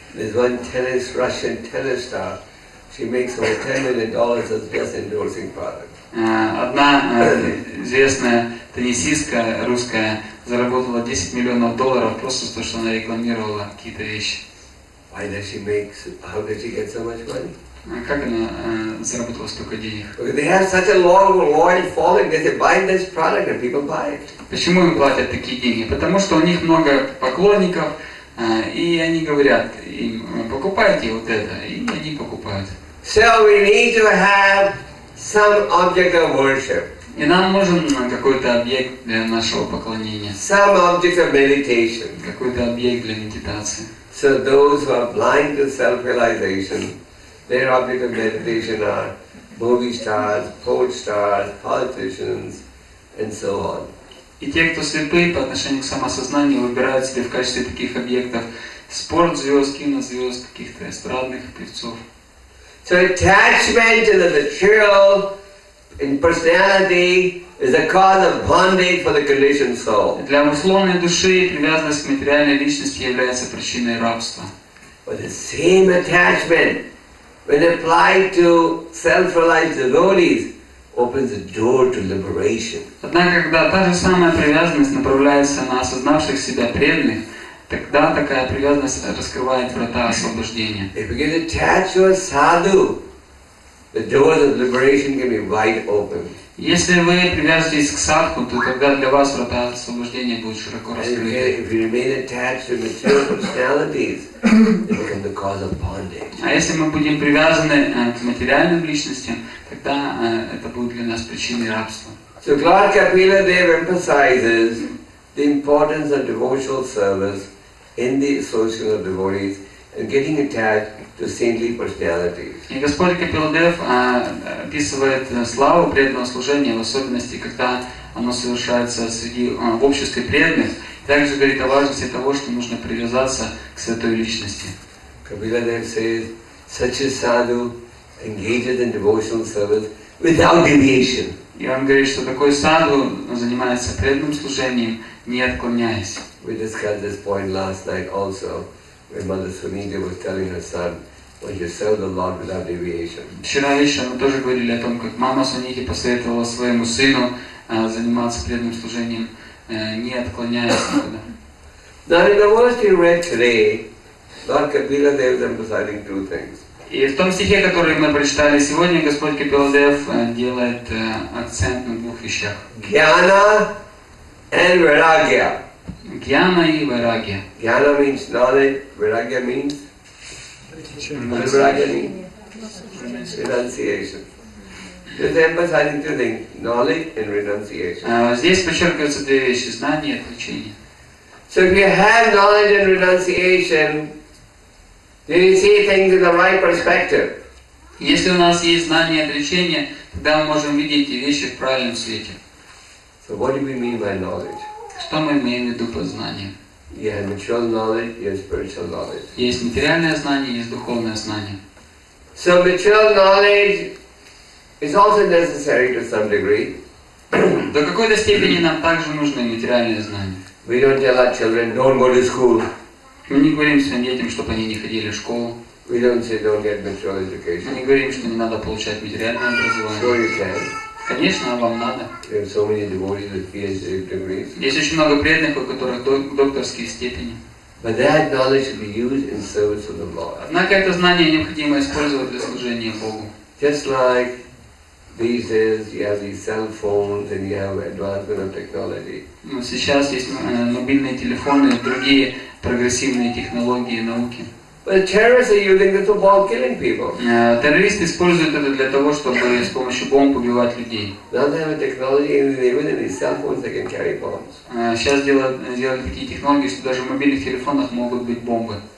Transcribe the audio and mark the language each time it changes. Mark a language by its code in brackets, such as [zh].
[en] There's one tennis Russian tennis star. She makes over $10 million as just endorsing products. [ru] Одна известная теннисистка русская заработала $10 million просто за то, что она рекламировала какие-то вещи. [en] Why does she make? How did she get so much money? [ru] Как она заработала столько денег? [en] They have such a long, loyal following that they buy this product and people buy it. [ru] Почему им платят такие деньги? Потому что у них много поклонников, и они говорят им, покупайте вот это, и они покупают. [en] So we need to have some object of worship. [ru] И нам нужен какой-то объект для нашего поклонения. [en] Some object of meditation. [ru] Какой-то объект для медитации. [en] So those who are blind to self-realization, their object of meditation are movie stars, sports stars, politicians, and so on. [ru] И те, кто слепы по отношению к самосознанию, выбирают себе в качестве таких объектов спорт звезд, кинозвезд, каких-то эстрадных певцов. [en] So attachment to the material in personality is a cause of bondage for the conditioned soul. [ru] Для условной души привязанность к материальной личности является причиной рабства. [en] But the same attachment, when applied to self-realized devotees, opens the door to liberation. [ru] Однако, когда та же самая привязанность направляется на осознавших себя преданных, тогда такая привязанность раскрывает врата освобождения. [en] If you get attached to a sadhu, The doors of liberation can be wide open. [ru] Если вы привяжетесь к садку, то тогда для вас врата освобождения будут широко раскрыты. [en] And if you remain attached to material personalities, it becomes the cause of bondage. [ru] А если мы будем привязаны к материальным личностям, тогда это будет для нас причиной рабства. [en] So Lord Kapila Dev emphasizes the importance of devotional service in the association of devotees and getting attached to saintly personalities. [ru] И Господь Капиладев описывает славу преданного служения, в особенности, когда оно совершается среди в обществе преданных. Также говорит о важности того, что нужно привязаться к святой личности. [en] Капиладев says, such a sadhu engages in devotional service without deviation. [ru] И он говорит, что такой саду занимается преданным служением, не отклоняясь. [en] We discussed this point last night also, when Mother Sunita was telling her son, when you serve the Lord without deviation. [ru] Вчера вечером мы тоже говорили о том, как мама Сунити посоветовала своему сыну заниматься преданным служением, не отклоняясь никуда. [en] Now in the verse you read today, Lord Kapila Dev is emphasizing two things. [ru] И в том стихе, который мы прочитали сегодня, Господь Капиладев делает акцент на двух вещах. Гьяна и вайрагья. Гьяна и вайрагья. [en] Гьяна means knowledge, вайрагья means? What does вайрагья mean? Renunciation. This emphasizes two things, knowledge and renunciation. [ru] Здесь подчеркиваются две вещи, знание и отречение. [en] So if you have knowledge and renunciation, then you see things in the right perspective. [ru] Если у нас есть знание и отречение, тогда мы можем видеть вещи в правильном свете. [en] So what do we mean by knowledge? [ru] Что мы имеем в виду под знанием? [en] You have material knowledge, you have spiritual knowledge. [ru] Есть материальное знание, есть духовное знание. [en] So material knowledge is also necessary to some degree. [ru] До какой-то степени нам также нужно материальное знание. [en] We don't tell our children, don't go to school. [ru] Мы не говорим своим детям, чтобы они не ходили в школу. [en] We don't say don't get material education. [ru] Мы не говорим, что не надо получать материальное образование. [en] Sure you can. [ru] Конечно, вам надо. [en] We have so many devotees with PhD degrees. [ru] Есть очень много преданных, у которых докторские степени. [en] But that knowledge should be used in service of the Lord. [ru] Однако это знание необходимо использовать для служения Богу. [en] Just like these days, you have these cell phones and you have advancement of technology. [ru] Сейчас есть мобильные телефоны и другие прогрессивные технологии и науки. Террористы используют это для того, чтобы с помощью бомб убивать людей. Сейчас делают такие технологии, что даже в мобильных телефонах могут быть бомбы.